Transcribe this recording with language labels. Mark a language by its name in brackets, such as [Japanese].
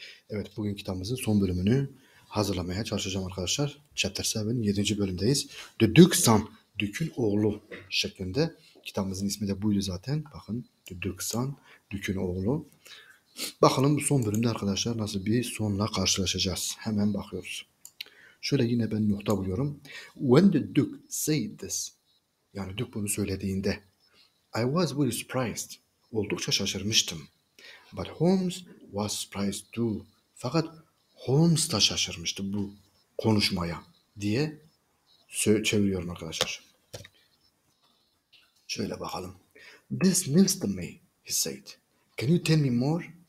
[Turkish] Evet, bugün kitabımızın son bölümünü hazırlamaya çalışacağım arkadaşlar. Chapter 7, 7. bölümdeyiz. The Duke Sam, Dük'ün oğlu şeklinde. Kitabımızın ismi de buydu zaten. Bakın, The Duke Sam, Dük'ün oğlu. Bakalım bu son bölümde arkadaşlar nasıl bir sonla karşılaşacağız. Hemen bakıyoruz. Şöyle yine ben nokta buluyorum. [English] When the Duke said this, [Turkish] yani Dük bunu söylediğinde, [English] I was very surprised. [Turkish] Oldukça şaşırmıştım. [English] But Holmes was surprised too. [Turkish] Fakat Holmes da şaşırmıştı bu konuşmaya diye çeviriyorum arkadaşlar. Şöyle bakalım. [English] This news to me, he said. Can you tell me more?